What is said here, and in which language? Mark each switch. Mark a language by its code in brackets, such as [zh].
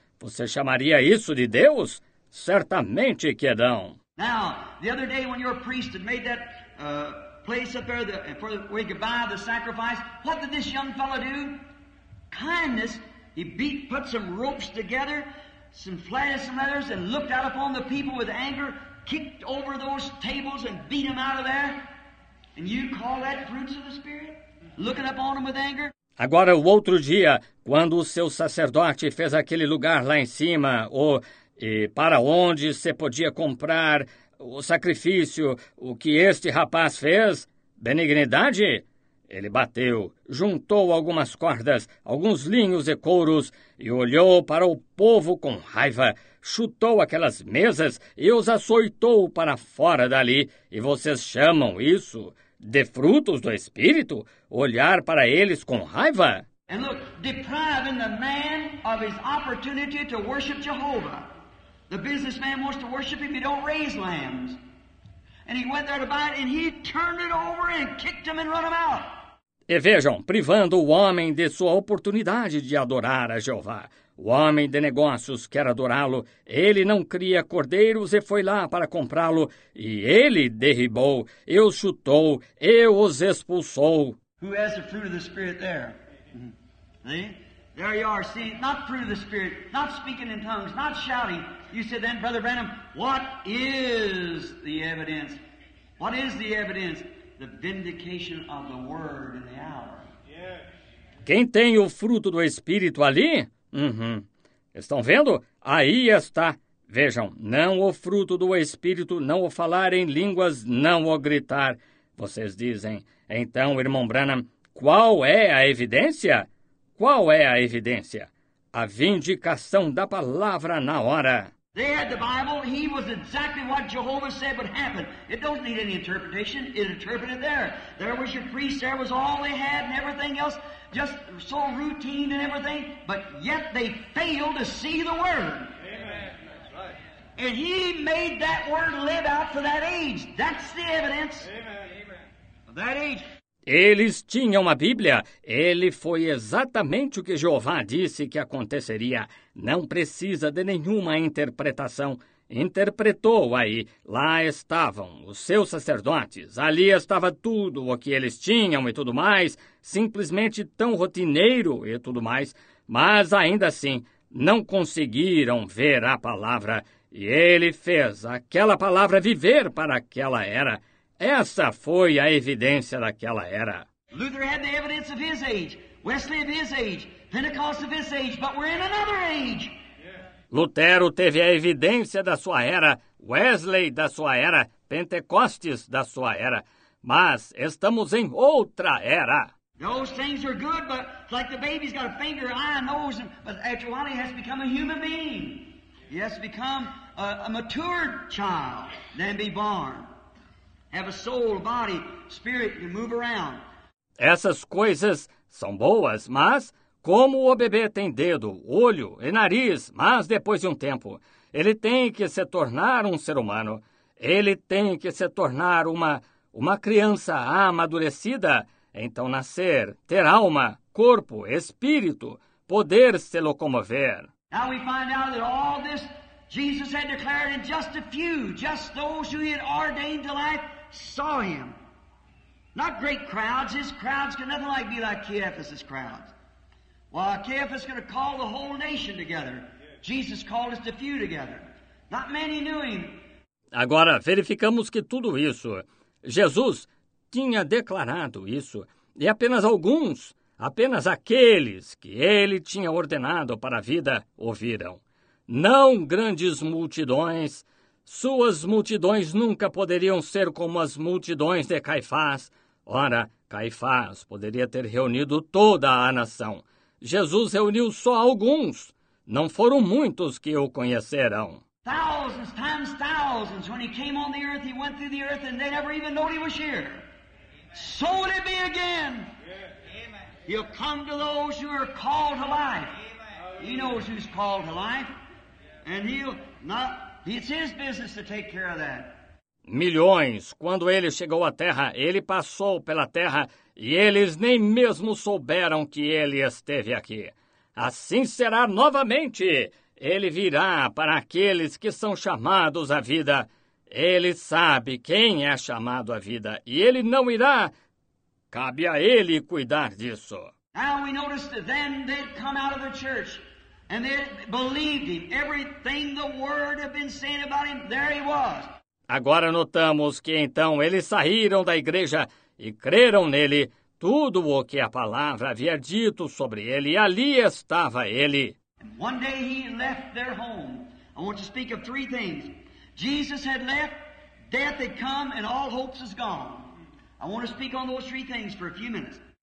[pt] Você chamaria isso de Deus? Certamente que não. [en] Now, the other day when your priest had made that place up there where he could buy the sacrifice, what did this young fellow do? Kindness. He put some ropes together, some flattest letters, and looked out upon the people with anger. Kicked over those tables and beat them out of there? And you call that fruits of the Spirit? Looking up on them with anger? [pt] Agora, o outro dia, quando o seu sacerdote fez aquele lugar lá em cima, para onde você podia comprar o sacrifício, o que este rapaz fez? Benignidade? Ele bateu, juntou algumas cordas, alguns linhos e couros, e olhou para o povo com raiva, chutou aquelas mesas e os açoitou para fora dali. E vocês chamam isso de frutos do Espírito? Olhar para eles com raiva? E olha, [en] depriving the man of his opportunity to worship Jehovah. The businessman wants to worship him, he don't raise lambs. And he went there to buy it and he turned it over and kicked him and run him out. [pt] E vejam, privando o homem de sua oportunidade de adorar a Jeová. O homem de negócios quer adorá-lo. Ele não cria cordeiros e foi lá para comprá-lo. E ele derribou, eu chutou, eu os expulsou. [en] Who has the fruit of the Spirit there? See? There you are, see? Not fruit of the Spirit, not speaking in tongues, not shouting. You said then, Brother Branham, what is the evidence? What is the evidence? The vindication of the word in the hour. Yes. [pt] Quem tem o fruto do Espírito ali? Uhum. Estão vendo? Aí está. Vejam, não o fruto do Espírito, não o falar em línguas, não o gritar. Vocês dizem, então, irmão Branham, qual é a evidência? Qual é a evidência? A vindicação da palavra na hora. [en] They had the Bible. He was exactly what Jehovah said would happen. It don't need any interpretation. It interpreted there. There was your priest. There was all they had and everything else. Just so routine and everything. But yet they failed to see the Word. Amen. That's right. And he made that Word live out for that age. That's the evidence. Amen. Of that age. [pt] Eles tinham a Bíblia. Ele foi exatamente o que Jeová disse que aconteceria. Não precisa de nenhuma interpretação. Interpretou aí. Lá estavam os seus sacerdotes. Ali estava tudo o que eles tinham e tudo mais. Simplesmente tão rotineiro e tudo mais. Mas ainda assim, não conseguiram ver a palavra. E ele fez aquela palavra viver para aquela era. Essa foi a evidência daquela era. [en] Luther had the evidence of his age, Wesley of his age, Pentecost of his age, but we're in another age. [pt] Lutero teve a evidência da sua era, Wesley da sua era, Pentecostes da sua era, mas estamos em outra era. [en] Those things are good, but like the baby's got a finger, eye, nose, but after a while he has become a human being. He has become a mature child, then be born. Have a soul, body, spirit, and move around. [pt] Essas coisas são boas, mas como o bebê tem dedo, olho e nariz, mas depois de um tempo, ele tem que se tornar um ser humano. Ele tem que se tornar uma criança amadurecida. Então nascer, ter alma, corpo, espírito, poder se locomover. [en] Now we find out that all this Jesus had declared in just a few, just those who he had ordained to life, saw him. Not great crowds. His crowds could nothing like be like Caiaphas's crowds. Well, Caiaphas could have called the whole nation together. Jesus called us to few together. Not many knew him. [pt] Agora, verificamos que tudo isso, Jesus tinha declarado isso, e apenas alguns, apenas aqueles que ele tinha ordenado para a vida, ouviram. Não grandes multidões. Suas multidões nunca poderiam ser como as multidões de Caifás. Ora, Caifás poderia ter reunido toda a nação. Jesus reuniu só alguns. Não foram muitos que o conheceram. [en] Thousands times thousands. When he came on the earth, he went through the earth and they never even knew he was here. So will it be again. He'll come to those who are called to life. He knows who's called to life. And he'll not... It's his business to take care of that. [pt] Milhões, quando ele chegou à terra, ele passou pela terra e eles nem mesmo souberam que ele esteve aqui. Assim será novamente. Ele virá para aqueles que são chamados à vida. Ele sabe quem é chamado à vida e ele não irá. Cabe a ele cuidar disso. [en] Now we noticed that then they'd come out of the church. And they believed him. Everything the word had been saying about him, there he was. [pt] Agora notamos que então eles saíram da igreja e creram nele. tudo o que a palavra havia dito sobre ele, e ali estava ele. [en] One day he left their home. I want to speak of three things. Jesus had left, death had come, and all hopes is gone. I want to speak on those three things for a few minutes.